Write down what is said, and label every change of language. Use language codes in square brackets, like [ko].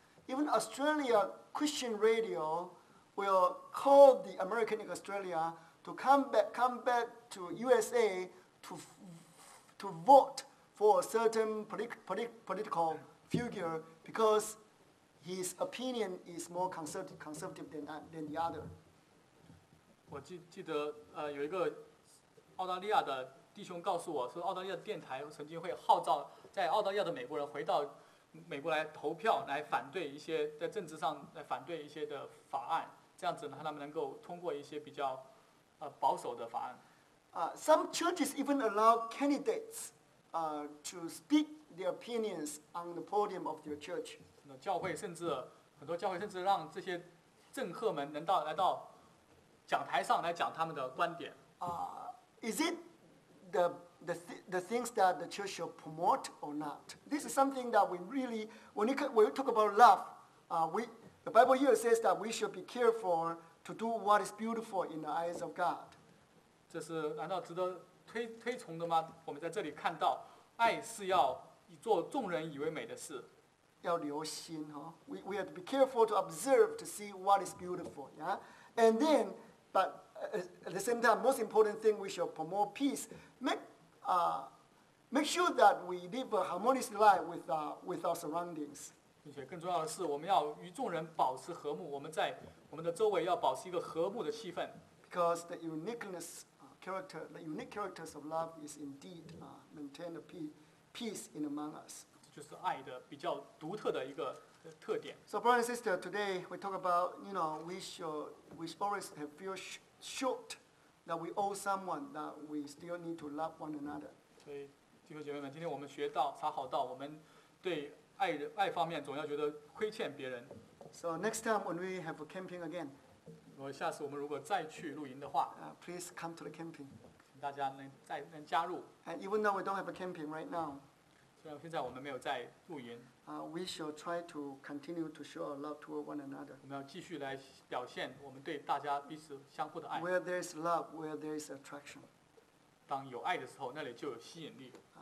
[en] Even Australia Christian Radio will call the American in Australia to come back to USA to vote for a certain political figure because his opinion is more conservative than the other. [zh] 我记得有一个澳大利亚的弟兄告诉我说，澳大利亚电台曾经会号召在澳大利亚的美国人回到。美国来投票来反对一些在政治上来反对一些的法案，这样子呢，他们能够通过一些比较保守的法案。 [en] Some churches even allow candidates to speak their opinions on the podium of their church. [zh] 教会甚至很多教会甚至让这些政客们能到来到讲台上来讲他们的观点。 [en] Is it the things that the church should promote or not? This is something that we really, when we talk about love, the Bible here says that we should be careful to do what is beautiful in the eyes of God. [zh] 这是难道值得推崇的吗？我们在这里看到，爱是要做众人以为美的事。要留心哦。 [en] We have to be careful to observe to see what is beautiful, yeah? And then, but at the same time, most important thing, we should promote peace. Make sure that we live a harmonious life with our surroundings. [zh] 并且更重要的是，我们要与众人保持和睦。我们在我们的周围要保持一个和睦的气氛。 [en] Because the uniqueness, character, the unique characters of love is indeed maintain the peace in among us. [zh] 就是爱的比较独特的一个特点。 [en] So, brother and sister, today we talk about, you know, we should always have feel short. That we owe someone, that we still need to love one another. [zh] 所以，弟兄姐妹们，今天我们学到查好道，我们对爱方面总要觉得亏欠别人。 [en] So next time when we have a camping again, [zh] 我下次我们如果再去露营的话 [en] please come to the camping. [zh] 请大家能加入。 [en] And even though we don't have a camping right now, [zh] 虽然现在我们没有在露营 [en] we shall try to continue to show our love toward one another. [zh] 我们要继续来表现我们对大家彼此相互的爱。 [en] Where there is love, where there is attraction. [zh] 当有爱的时候，那里就有吸引力。